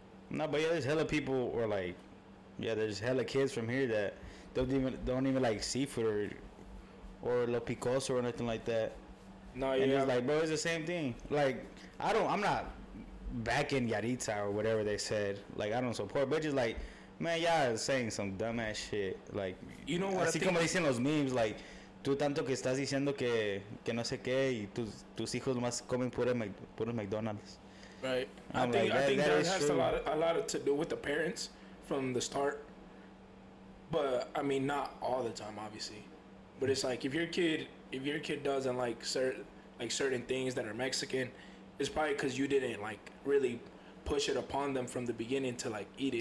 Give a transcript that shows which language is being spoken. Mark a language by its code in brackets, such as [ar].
[en] No, but yeah, there's hella people, or like, yeah, there's hella kids from here that don't even like seafood or [es] lo picoso [en] or nothing like that. No, and yeah. And it's like, bro, it's the same thing. Like, I'm not back in Yaritza or whatever they said. Like, I don't support, but just like, man, y'all are saying some dumbass shit. Like, you know what? [es] Así como dicen los memes, like, tú tanto que estás diciendo que no sé qué, y tus hijos más comen puro McDonald's. [en] Right. I think that has a lot to do with the parents from the start. But I mean, not all the time, obviously. But it's like, if your kid doesn't like certain things that are Mexican, it's probably because you didn't like really push it upon them from the beginning to like eat it.